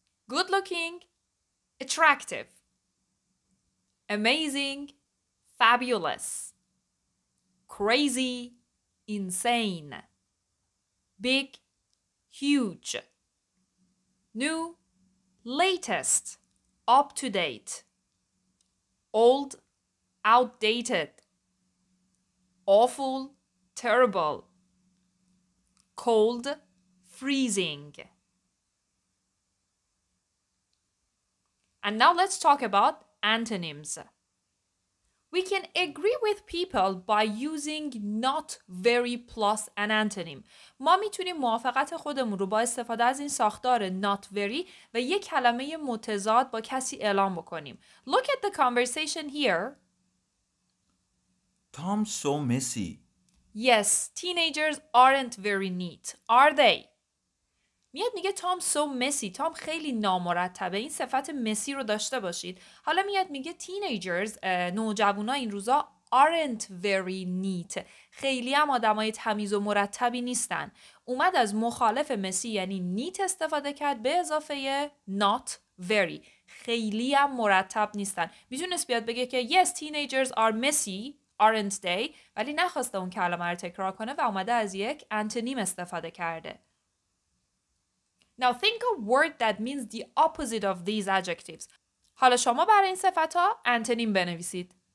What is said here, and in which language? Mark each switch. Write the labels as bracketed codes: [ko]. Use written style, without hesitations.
[en] Good looking, attractive, amazing, fabulous, crazy, insane, big, huge, new, latest, up to date, old, outdated, awful, terrible, cold, freezing. And now let's talk about antonyms. We can agree with people by using not very plus an antonym. [fa] ما میتونیم موافقت خودمون رو با استفاده از این ساختار not very و یک کلمه متضاد با کسی اعلام بکنیم. [en] Look at the conversation here. Tom's so messy. Yes, teenagers aren't very neat, are they? [fa] میاد میگه تام سو مسی، تام خیلی نامرتبه. این صفت مسی رو داشته باشید. حالا میاد میگه تینیجرز، نوجوانا این روزا [en] aren't very neat، [fa] خیلی هم آدمای تمیز و مرتبی نیستن. اومد از مخالف مسی یعنی neat استفاده کرد به اضافه not very، خیلی هم مرتب نیستن. میتونست بیاد بگه که [en] yes teenagers are messy aren't they، [fa] ولی نخواسته اون کلمه رو تکرار کنه و اومده از یک antonym استفاده کرده. [en] Now think a word that means the opposite of these adjectives. [fa] حالا شما برای این صفت ها antonym بنویسید.